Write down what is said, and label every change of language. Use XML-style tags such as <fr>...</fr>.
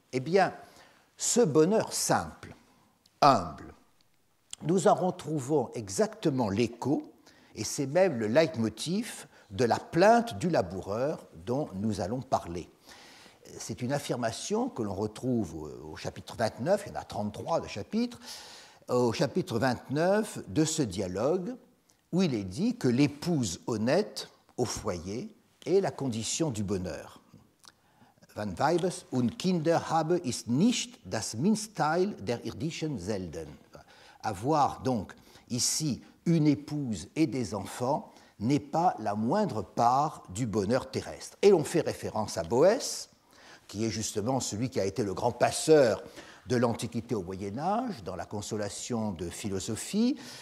<fr>Eh bien, ce bonheur simple, humble, nous en retrouvons exactement l'écho, et c'est même le leitmotiv de la plainte du laboureur dont nous allons parler. C'est une affirmation que l'on retrouve au chapitre 29, il y en a 33 de chapitres, au chapitre 29 de ce dialogue, où il est dit que l'épouse honnête au foyer est la condition du bonheur.</fr> <gmh>Wann Weibes und Kinder habe, ist nicht das Mindesteil der irdischen Selden.</gmh> <fr>Avoir donc ici une épouse et des enfants n'est pas la moindre part du bonheur terrestre. Et l'on fait référence à Boès, qui est justement celui qui a été le grand passeur de l'Antiquité au Moyen-Âge, dans la Consolation de philosophie,</fr>